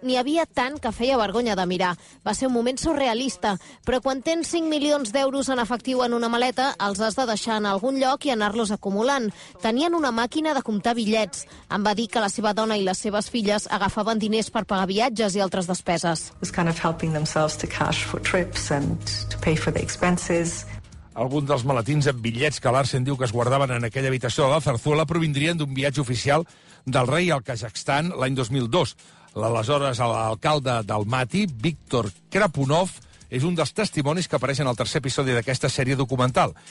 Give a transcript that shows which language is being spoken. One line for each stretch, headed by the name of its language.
Catalan: N'hi havia tant que feia vergonya de mirar. Va ser un moment surrealista. Però quan tens 5 milions d'euros en efectiu en una maleta, els has de deixar en algun lloc i anar-los acumulant. Tenien una màquina de comptar bitllets. Em va dir que la seva dona i les seves filles agafaven diners per pagar viatges i altres despeses.
English: It's kind of helping themselves to cash for trips and to pay for the expenses.
Catalan: Alguns dels maletins amb bitllets que Larsen diu que es guardaven en aquella habitació de la Zarzuela provindrien d'un viatge oficial del rei al Kazakhstan l'any 2002. L'aleshores l'alcalde d'Almaty, Víctor Krapunov, és un dels testimonis que apareixen al tercer episodi d'aquesta sèrie documental.